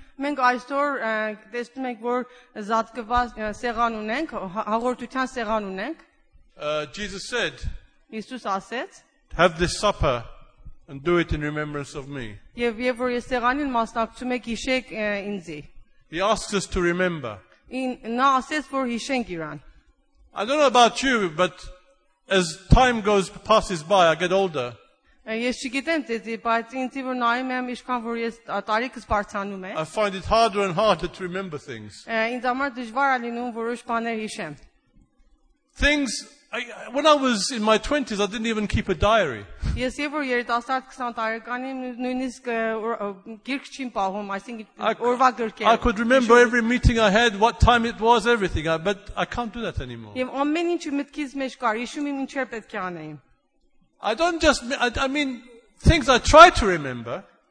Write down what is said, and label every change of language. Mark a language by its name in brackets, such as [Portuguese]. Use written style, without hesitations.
[Armenian] Մենք այսօր տեսնում ենք, որ զատկված սեղան ունենք, հաղորդության սեղան ունենք. [English] Jesus said, [Armenian] Իսուս ասեց, [English] have this supper and do it in remembrance of me. [Armenian] Եվ երբ որ ես սեղանին մասնակցում եք, հիշեք ինձի. [English] He asks us to remember. [Armenian] Նա ասեց, որ հիշենք իրան. [English] I don't know about you, but as time passes by, I get older. [Armenian] Ես չգիտեմ ձեզի, բայց ինձի որ նայում եմ, ինչքան որ ես տարիքս բարձանում եմ. [English] I find it harder and harder to remember things. [Armenian] Ինձ համար դժվար է լինում որոշ բաներ հիշեմ. [English] Things when I was in my 20s I didn't even keep a diary. [Armenian] Ես եւ որ 20 տարեկանին նույնիսկ գիրք չին պահում, այսինքն օրվա գրքեր. [English] I could remember every meeting I had, what time it was, everything, but I can't do that anymore. [Armenian] Եմ ամեն ինչ մտքիս մեջ կա, հիշում եմ ինչեր պետք է անեի. [English] I mean things I try to remember.